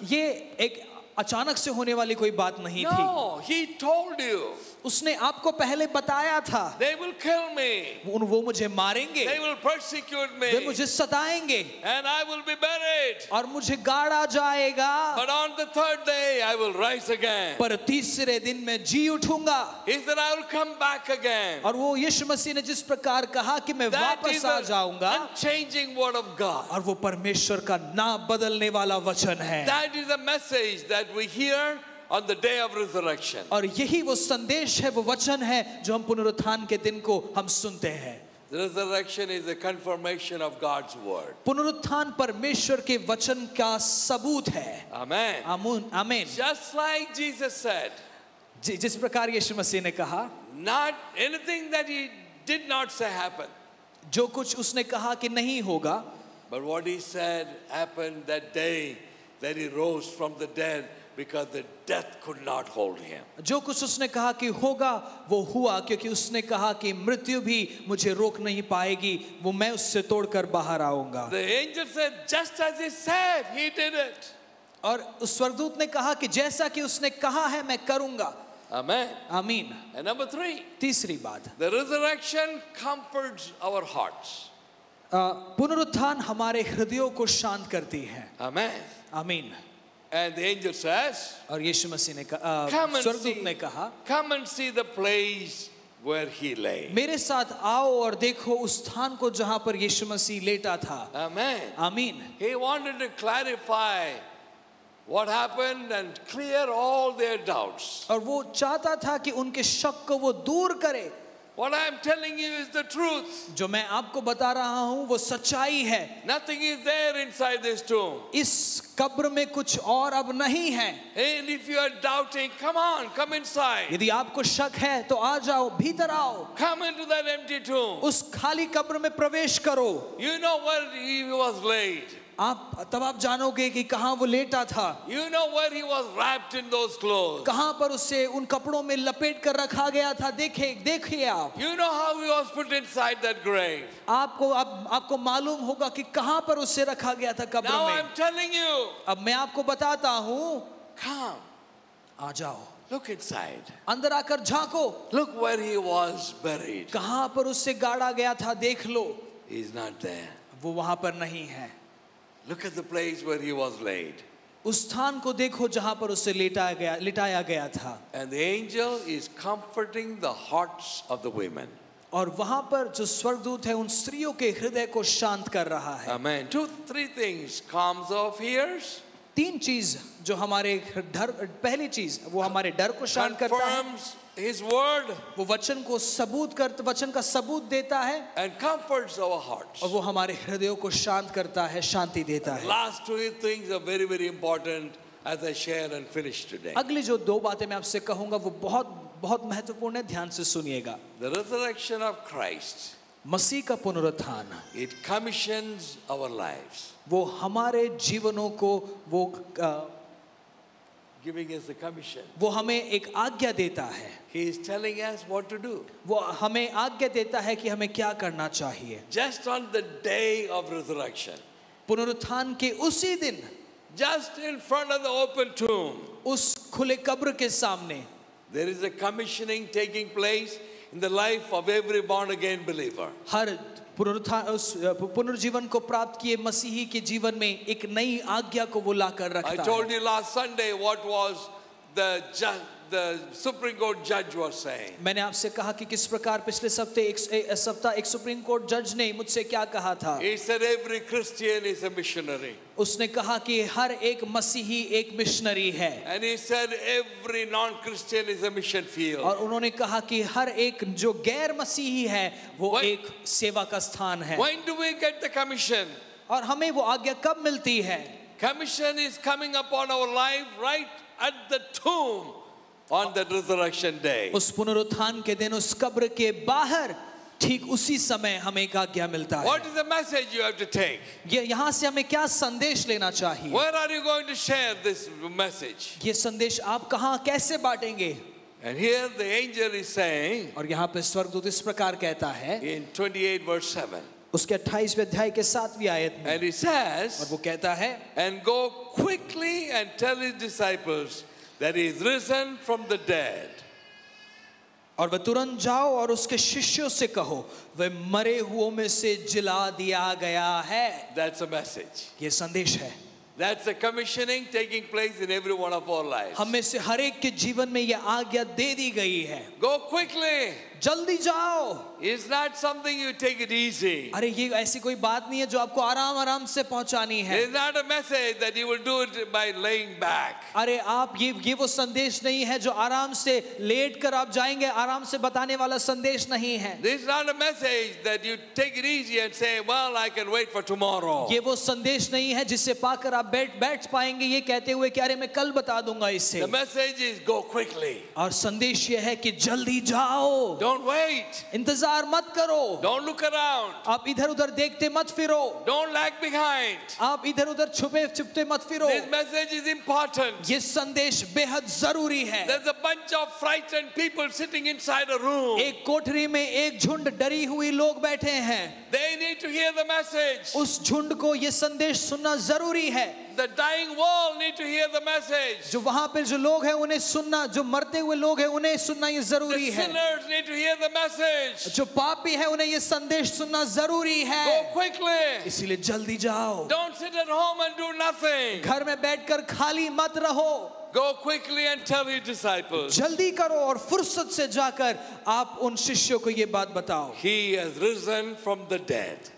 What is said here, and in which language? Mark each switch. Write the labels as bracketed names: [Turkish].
[Hindi] ये एक अचानक से होने वाली कोई बात नहीं थी. [English] No, he told you. [Hindi] उसने आपको पहले बताया था. [English] They will kill me. [Hindi] वो मुझे मारेंगे. [English] They will persecute me. [Hindi] वे मुझे सताएंगे. [English] And I will be buried. [Hindi] और मुझे गाड़ा जाएगा. [English] But on the third day I will rise again. [Hindi] पर तीसरे दिन मैं जी उठूंगा. [English] He said I will come back again. [Hindi] और वो यीशु मसीह ने जिस प्रकार कहा कि मैं वापस आ जाऊंगा. [English] That is an unchanging word of God. [Hindi] और वो परमेश्वर का ना बदलने वाला वचन है. [English] That is a message that we hear on the day of resurrection. [Hindi] और यही वो संदेश है वो वचन है जो हम पुनरुत्थान के दिन को हम सुनते हैं. [English] The resurrection is a confirmation of God's word. [Hindi] पुनरुत्थान परमेश्वर के वचन का सबूत है. [English] Amen. Amen. Amen. Just like Jesus said. [Hindi] जिस प्रकार यीशु मसीह ने कहा. [English] Not anything that he did not say happened. [Hindi] जो कुछ उसने कहा कि नहीं होगा. [English] But what he said happened that day that he rose from the dead. Because the death could not hold him. [Hindi] जो कुछ उसने कहा कि होगा वो हुआ क्योंकि उसने कहा कि मृत्यु भी मुझे रोक नहीं पाएगी वो मैं उससे तोड़कर बाहर आऊंगा. [English] The angel said, just as he said, he did it. [Hindi] और उस स्वर्गदूत ने कहा कि जैसा कि उसने कहा है मैं करूंगा. [English] Amen. Amen. And number three. [Hindi] तीसरी बात. [English] The resurrection comforts our hearts. [Hindi] पुनरुत्थान हमारे हृदयों को शांत करती है. [English] Amen. Amen. And the angel says, [Hindi] और यीशु मसीह ने कहा, स्वर्गदूत ने कहा, [English] Come and see the place where he lay. [Hindi] मेरे साथ आओ और देखो उस स्थान को जहाँ पर यीशु मसीह लेटा था. [English] Amen. Amen. He wanted to clarify what happened and clear all their doubts. [Hindi] और वो चाहता था कि उनके शक को वो दूर करे. [English] What I am telling you is the truth. [Hindi] जो मैं आपको बता रहा हूँ वो सच्चाई है. [English] Nothing is there inside this tomb. [Hindi] इस कब्र में कुछ और अब नहीं है. [English] And if you are doubting, come on, come inside. [Hindi] यदि आपको शक है तो आ जाओ भीतर आओ. [English] Come into that empty tomb. [Hindi] उस खाली कब्र में प्रवेश करो. [English] You know where he was laid. [Hindi] आप तब आप जानोगे कि कहाँ वो लेटा था. [English] You know where he was wrapped in those clothes. [Hindi] कहाँ पर उसे उन कपड़ों में लपेट कर रखा गया था. देखे देखिए आप. [English] You know how he was put inside that grave. [Hindi] आपको आपको मालूम होगा कि कहाँ पर उसे रखा गया था कब्र में. [English] Now I'm telling you. [Hindi] अब मैं आपको बताता हूँ. [English] Come. [Hindi] आ जाओ. [English] Look inside. [Hindi] अंदर आकर झांको. [English] Look where he was buried. [Hindi] कहाँ पर उसे गाड़ा गया था देख लो. [English] He's not there. [Hindi] वो वहां पर नहीं है. [English] Look at the place where he was laid. [Hindi] उस स्थान को देखो जहाँ पर उसे लिटाया गया था. [English] And the angel is comforting the hearts of the women. [Hindi] और वहाँ पर जो स्वर्गदूत है उन स्त्रियों के हृदय को शांत कर रहा है. [English] Amen. Two, three things calms our fears. [Hindi] तीन चीज जो हमारे डर पहली चीज वो हमारे डर को शांत करता है. [English] Confirms his word. [Hindi] वो वचन को सबूत कर वचन का सबूत देता है. [English] And comforts our hearts. [Hindi] और वो हमारे हृदयों को शांत करता है शांति देता है. [English] Last two things are very very important as I share and finish today. [Hindi] अगली जो दो बातें मैं आपसे कहूंगा वो बहुत बहुत महत्वपूर्ण है ध्यान से सुनिएगा. [English] The resurrection of Christ. [Hindi] मसीह का पुनरुत्थान. [English] It commissions our lives. [Hindi] वो हमारे जीवनों को वो [English] giving us a commission. [Hindi] वो हमें एक आज्ञा देता है. [English] He is telling us what to do. [Hindi] वो हमें आज्ञा देता है कि हमें क्या करना चाहिए. [English] Just on the day of resurrection. [Hindi] पुनरुत्थान के उसी दिन. [English] Just in front of the open tomb. [Hindi] उस खुले कब्र के सामने. [English] There is a commissioning taking place in the life of every born again believer. [Hindi] हर पुनर्जीवन को प्राप्त किए मसीही के जीवन में एक नई आज्ञा को वो लाकर रखता है. [English] I told you last Sunday what was the Supreme Court judge was saying. [Hindi] मैंने आपसे कहा कि किस प्रकार पिछले सप्ताह एक Supreme Court judge ने मुझसे क्या कहा था? [English] He said every Christian is a missionary. [Hindi] उसने कहा कि हर एक मसीही एक मिशनरी है. [English] And he said every non-Christian is a mission field. [Hindi] और उन्होंने कहा कि हर एक जो गैर मसीही है वो एक सेवा का स्थान है. [English] When do we get the commission? [Hindi] और हमें वो आज्ञा कब मिलती है? [English] Commission is coming upon our life right at the tomb. On the resurrection day. [Hindi] उस पुनरुत्थान के दिन उस कब्र के बाहर ठीक उसी समय हमें एक आज्ञा मिलता है. [English] What is the message you have to take? [Hindi] ये यहाँ से हमें क्या संदेश लेना चाहिए? [English] Where are you going to share this message? [Hindi] ये संदेश आप कहाँ कैसे बांटेंगे? [English] And here the angel is saying. [Hindi] और यहाँ पे स्वर्गदूत इस प्रकार कहता है. [English] In 28 verse 7. [Hindi] उसके 28वें अध्याय के 7वीं आयत में. [English] And he says. [Hindi] और वो कहता है. [English] And go quickly and tell his disciples. That he is risen from the dead. [Hindi] और वह तुरंत जाओ और उसके शिष्यों से कहो वे मरे हुओं में से जिला दिया गया है. [English] That's a message. [Hindi] ये संदेश है. [English] That's a commissioning taking place in every one of our lives. [Hindi] हमें से हर एक के जीवन में ये आज्ञा दे दी गई है. [English] Go quickly. [Hindi] जल्दी जाओ. [English] It's not something you take it easy. [Hindi] अरे ये ऐसी कोई बात नहीं है जो आपको आराम आराम से पहुंचानी है. [English] It's not a message that you will do it by laying back. [Hindi] अरे आप ये वो संदेश नहीं है जो आराम से लेट कर आप जाएंगे. आराम से बताने वाला संदेश नहीं है. [English] It's not a message that you take it easy and say, well, I can wait for tomorrow. [Hindi] ये वो संदेश नहीं है जिससे पाकर आप बैठ पाएंगे ये कहते हुए कि अरे मैं कल बता दूंगा इसे. [English] The message is go quickly. [Hindi] और संदेश ये है कि जल्दी जाओ. [English] Don't wait. [Hindi] इंतजार मत करो. [English] Don't look around. [Hindi] आप इधर उधर देखते मत फिरो. [English] Don't lag behind. [Hindi] आप इधर उधर छुपे छुपते मत फिरो. [English] This message is important. [Hindi] ये संदेश बेहद जरूरी है. [English] There's a bunch of frightened people sitting inside a room. [Hindi] एक कोठरी में एक झुंड डरी हुई लोग बैठे हैं. [English] They need to hear the message. [Hindi] उस झुंड को ये संदेश सुनना जरूरी है. [English] The dying world need to hear the message. [Hindi] जो वहाँ पे जो लोग हैं उन्हें सुनना, जो मरते हुए लोग हैं उन्हें सुनना ये जरूरी है. [English] The sinners need to hear the message. [Hindi] जो पापी हैं उन्हें ये संदेश सुनना जरूरी है. [English] Go quickly. [Hindi] इसीलिए जल्दी जाओ. [English] Don't sit at home and do nothing. [Hindi] घर में बैठकर खाली मत रहो. [English] Go quickly and tell your disciples. [Hindi] जल्दी करो और फुर्सत से जाकर आप उन शिष्यों को ये बात बताओ. [English] He has risen from the dead.